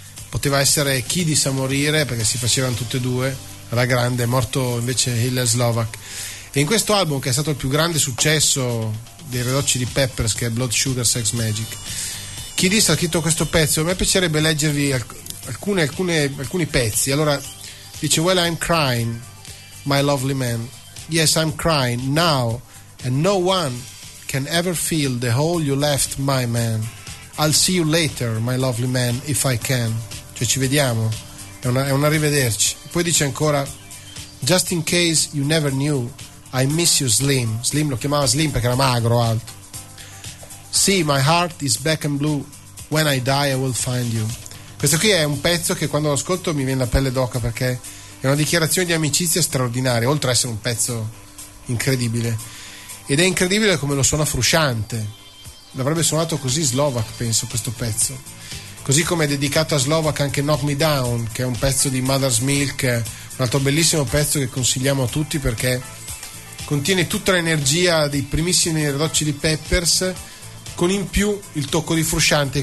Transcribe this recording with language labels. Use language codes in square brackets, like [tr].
[it] Poteva essere Kiedis a morire, perché si facevano tutte e due, era grande, è morto invece Hillel Slovak. E in questo album, che è stato il più grande successo dei Red Hot Chili Peppers, che è Blood Sugar Sex Magik, Kiedis ha scritto questo pezzo. A me piacerebbe leggervi alcuni pezzi. Allora dice: [en] Well, I'm crying, my lovely man. Yes, I'm crying now, and no one can ever feel the hole you left, my man. I'll see you later, my lovely man, if I can. [it] Cioè, ci vediamo, è un arrivederci. Poi dice ancora: [en] Just in case you never knew, I miss you, Slim. [it] Slim lo chiamava Slim perché era magro, alto. [en] See, my heart is black and blue. When I die, I will find you. [it] Questo qui è un pezzo che quando lo ascolto mi viene la pelle d'oca, perché è una dichiarazione di amicizia straordinaria, oltre ad essere un pezzo incredibile. Ed è incredibile come lo suona Frusciante. L'avrebbe suonato così Slovak, penso, questo pezzo. Così come è dedicato a Slovak anche Knock Me Down, che è un pezzo di Mother's Milk, un altro bellissimo pezzo che consigliamo a tutti perché contiene tutta l'energia dei primissimi Red Hot Chili Peppers, con in più il tocco di Frusciante.